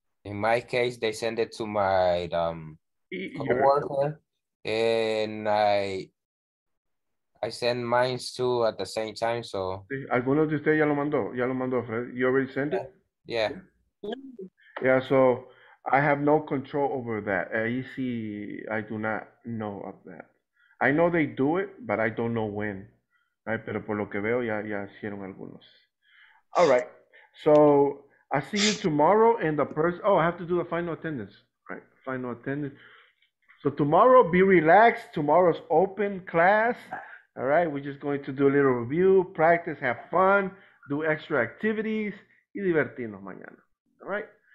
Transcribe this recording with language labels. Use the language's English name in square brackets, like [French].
[English] In my case, they send it to my coworker, and I send mine too at the same time. So. [Spanish] Algunos de ustedes ya lo mandó. Ya lo mandó, Fred. [English] You already sent it. Yeah. Yeah. So I have no control over that. I do not know of that. I know they do it, but I don't know when. [Spanish] Right, pero por lo que veo, ya hicieron algunos. [English] All right. So, I see you tomorrow in the person. Oh, I have to do the final attendance. Right, final attendance. So, tomorrow, be relaxed. Tomorrow's open class. All right, we're just going to do a little review, practice, have fun, do extra activities, [Spanish] y divertirnos mañana. [English] All right.